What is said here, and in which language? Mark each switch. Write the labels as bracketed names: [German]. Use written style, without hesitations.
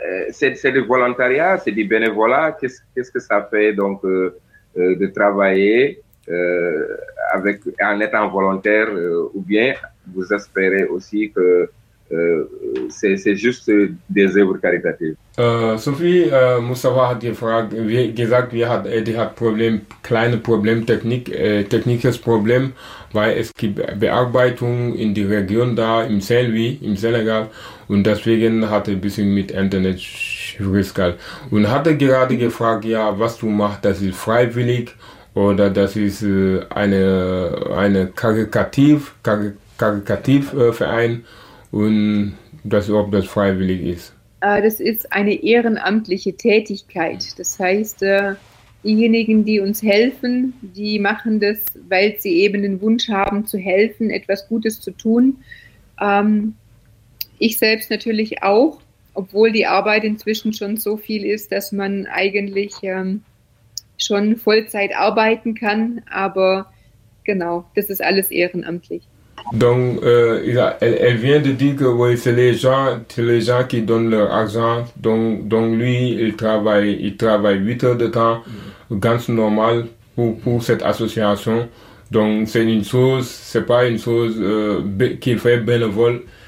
[French] C'est du volontariat, c'est du bénévolat, qu'est-ce que ça fait donc de travailler avec en étant volontaire ou bien vous espérez aussi que c'est juste des œuvres caritatives. Sophie, Moussawa a des problèmes, [German] kleine [French] problèmes techniques. Techniques problèmes, [German] weil es gibt Bearbeitung in die Region da, im Saint-Louis, im Senegal, und deswegen hatte ein bisschen mit Internet Schwierigkeiten. Und hatte gerade gefragt, ja, was du machst, das ist freiwillig oder das ist eine Karikativverein und das, ob das freiwillig ist. Das ist eine ehrenamtliche Tätigkeit. Das heißt, diejenigen, die uns helfen, die machen das, weil sie eben den Wunsch haben, zu helfen, etwas Gutes zu tun. Ich selbst natürlich auch, obwohl die Arbeit inzwischen schon so viel ist, dass man eigentlich schon Vollzeit arbeiten kann. Aber genau, das ist alles ehrenamtlich. [French] Donc, elle vient de dire que oui, c'est les gens qui donnent leur argent. Donc lui, il travaille 8 heures de temps, [German] ganz normal, [French] pour cette association. Donc, c'est une chose, c'est pas une chose qui fait bénévole.